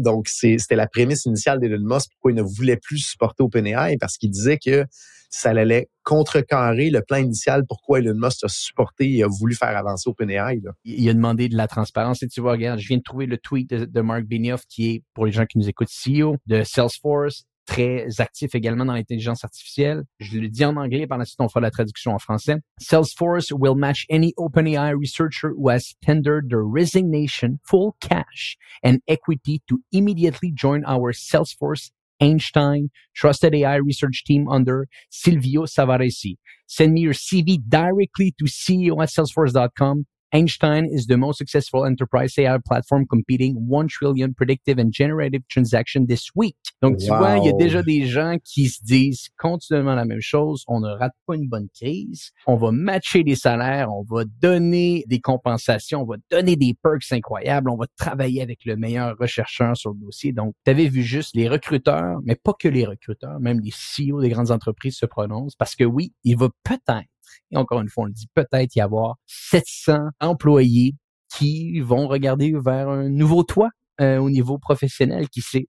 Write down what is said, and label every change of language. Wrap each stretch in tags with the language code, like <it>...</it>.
<fr>Donc, c'était la prémisse initiale d'Elon Musk pourquoi il ne voulait plus supporter OpenAI parce qu'il disait que ça allait contrecarrer le plan initial pourquoi Elon Musk a supporté et a voulu faire avancer OpenAI. Il a demandé de la transparence. Et tu vois, regarde, je viens de trouver le tweet de Marc Benioff qui est, pour les gens qui nous écoutent, CEO de Salesforce. Très actif également dans l'intelligence artificielle. Je le dis en anglais, par la suite, on fera la traduction en français.</fr> <en>Salesforce will match any OpenAI researcher who has tendered their resignation, full cash and equity to immediately join our Salesforce Einstein Trusted AI Research Team under Silvio Savaresi. Send me your CV directly to ceo@salesforce.com. Einstein is the most successful enterprise AI platform competing 1 trillion predictive and generative transactions this week.</en> <fr>Donc, tu vois, il y a déjà des gens qui se disent continuellement la même chose. On ne rate pas une bonne crise. On va matcher des salaires. On va donner des compensations. On va donner des perks incroyables. On va travailler avec le meilleur chercheur sur le dossier. Donc, tu avais vu juste les recruteurs, mais pas que les recruteurs, même les CEO des grandes entreprises se prononcent parce que oui, il va peut-être, et encore une fois, on le dit, peut-être y avoir 700 employés qui vont regarder vers un nouveau toit au niveau professionnel, qui sait.</fr>